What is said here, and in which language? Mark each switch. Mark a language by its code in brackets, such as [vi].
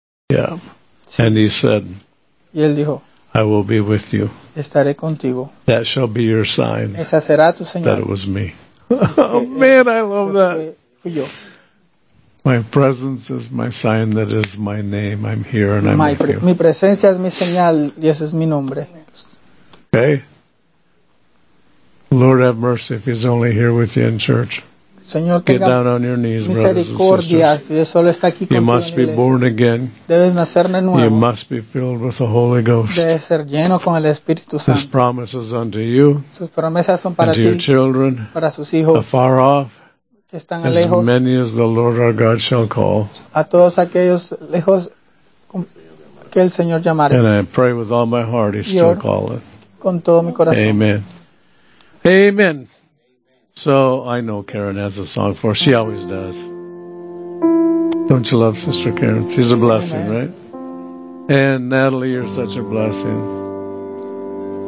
[en] Yeah. Sí. And he said, [es] y él dijo, [en] I will be with you. [es] Estaré contigo. [en] That shall be your sign. [es] Esa será tu señal. [en] That it was me. Oh man, I love that. [es] Yo. [en] My presence is my sign that is my name. I'm here and I'm with you. [es] Mi presencia es mi señal y ese es mi nombre. [en] Okay. Lord, have mercy if he's only here with you in church. [es] Señor, [en] get down on your knees, brothers and sisters. You must be born again. [es] Debes nacer de nuevo. [en] You must be filled with the Holy Ghost. [es] Debes ser lleno con el Espíritu Santo. [en] His promise is unto you. [es] Sus promesas son para [en] ti. Your children. [es] Para sus hijos. [en] Afar off. [es] Que están lejos. [en] As many as the Lord our God shall call. [es] A todos aquellos lejos que el Señor llamare. [en] And I pray with all my heart he's still calling. [es] Con todo mi corazón. [en] Amen. Amen. So I know Karen has a song for us. She always does. Don't you love Sister Karen? She's a blessing, right? And Natalie, you're such a blessing.